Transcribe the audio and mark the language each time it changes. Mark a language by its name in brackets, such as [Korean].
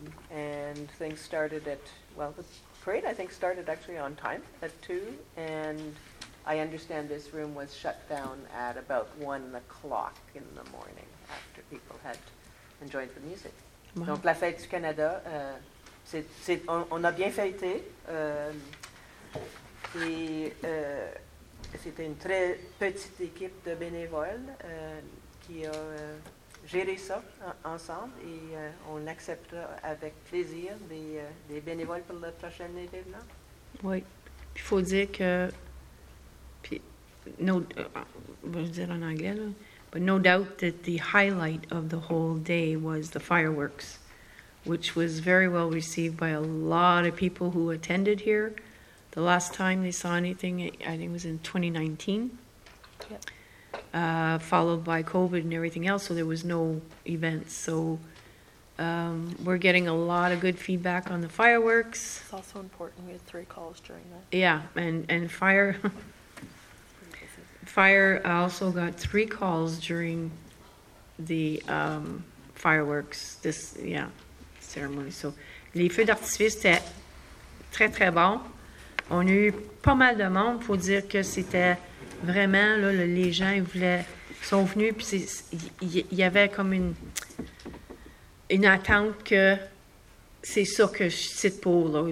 [English] And things started at, well, the parade, I think, started actually on time at 2, and I understand this room was shut down at about 1 o'clock in the morning after people had enjoyed the music. Wow. [French] Donc, la fête du Canada, c'est, on a bien fêté, c'était une très petite équipe de bénévoles qui a... gérer ça ensemble et on acceptera avec plaisir des bénévoles pour le prochain événement. Oui. Puis il faut dire que... Puis, no, je vais dire en anglais, là. [English] But no doubt that the highlight of the whole day was the fireworks, which was very well received by a lot of people who attended here. The last time they saw anything, I think it was in 2019. Yep. Followed by COVID and everything else, so there was no events. So we're getting a lot of good feedback on the fireworks. It's also important. We had 3 calls during that. Yeah, and fire also got 3 calls during the fireworks, this, yeah, ceremony. [French] So les feux d'artifice, c'était très, très bon. On a eu pas mal de monde. Faut dire que c'était... Vraiment, là, les gens ils voulaient, sont venus, puis il y avait comme une attente que c'est ça que je cite pour, là.